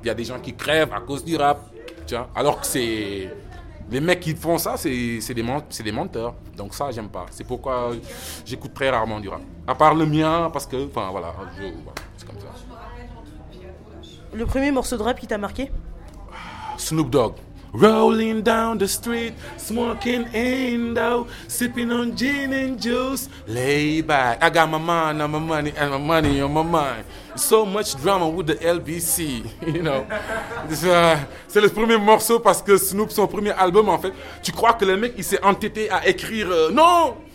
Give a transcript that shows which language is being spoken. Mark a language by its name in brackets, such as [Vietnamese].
[French] Il y a des gens qui crèvent à cause du rap, tu vois. Alors que c'est. Les mecs qui font ça, c'est des menteurs. Donc ça, j'aime pas. C'est pourquoi j'écoute très rarement du rap. À part le mien, parce que, enfin voilà, c'est comme ça. Le premier morceau de rap qui t'a marqué? Snoop Dogg. [English] Rolling down the street, smoking and out, sipping on gin and juice, lay back. I got my mind on my money and my money on my mind. So much drama with the LBC, you know. [French] C'est le premier morceau parce que Snoop, son premier album en fait, tu crois que le mec il s'est entêté à écrire, non!